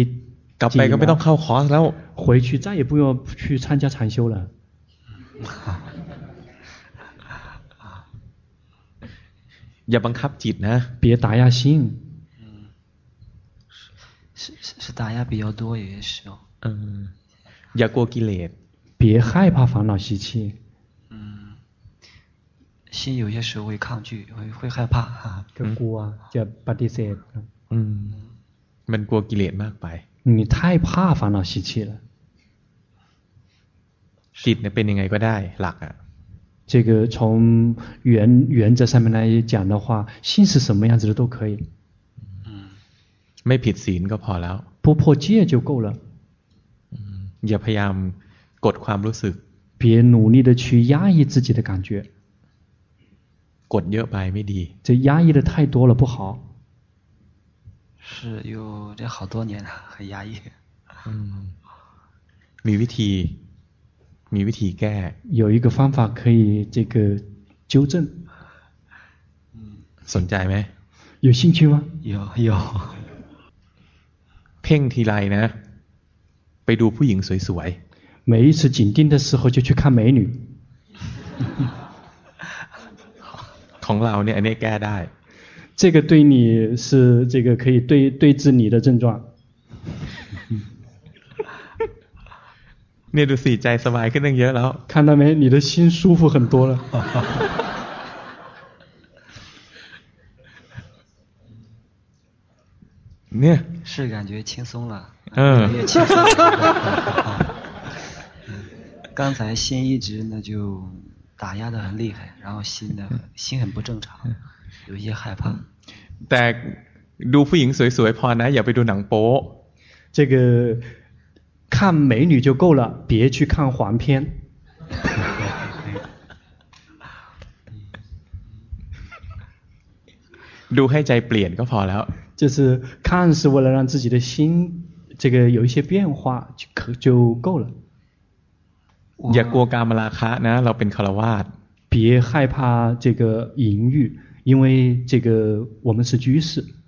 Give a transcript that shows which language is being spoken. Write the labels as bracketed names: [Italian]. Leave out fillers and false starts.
[Thai] กลับไปก็ไม่ต้องเข้าคอร์สแล้ว [Chinese] 回去再也不用去参加禅修了 [Thai] อย่าบังคับจิตนะ [Chinese] 别打压心嗯是打压比较多有些时候 [Thai] 嗯อย่ากลัวกิเลส [Chinese] 别害怕烦恼习气嗯心有些时候会抗拒 会害怕啊 [Thai] 就กลัวจะปฏิเสธ 嗯มันกลัวกิเลสมากไป [Chinese] 你太怕烦恼习气了 [Thai] จิตเนี่ยเป็นยังไงก็ได้หลักอ่ะ [Chinese] 这个从原则上面来讲的话，心是什么样子的都可以。 [Thai] 嗯，ไม่ผิดศีลก็พอแล้ว。 [Chinese] 不破戒就够了。 [Thai] 嗯，อย่าพยายามกดความรู้สึก。 [Chinese] 别努力的去压抑自己的感觉。 [Thai] กดเยอะไปไม่ดี。 [Chinese] 这压抑的太多了不好。是有这好多年了，很压抑。 [Thai] 嗯，มีวิธีมีวิธีแก้ [Chinese] 有一个方法可以这个纠正 [Thai] สนใจไหม [Chinese] 有兴趣吗有有 [Thai] เพ่งทีไรนะไปดูผู้หญิงสวยสวย [Chinese] 每一次紧盯的时候就去看美女 [Thai] ของเราเนี่ยอันนี้แก้ได้ [Chinese] 这个对你是这个可以对治你的症状 [Thai] เนี่ยดูสิใจสบายขึ้นตั้งเยอะแล้ว [Chinese] 看到没你的心舒服很多了 [Thai] เนี่ย [Chinese] 是感觉轻松了嗯越轻松刚才心一直呢就打压得很厉害然后心呢心很不正常有一些害怕 [Thai] แต่ดูผู้หญิงสวยๆพอนะอย่าไปดูหนังโป๊ [Chinese] 这个看美女就够了别去看黄片 [Thai] ดูให้ใจเปลี่ยนก็พอแล้ว [Chinese] 就是看是为了让自己的心这个有一些变化就够了 [Thai] อย่ากลัวกามราคะนะเราเป็นคฤหัสถ์ [Chinese] 别害怕这个淫欲因为这个我们是居士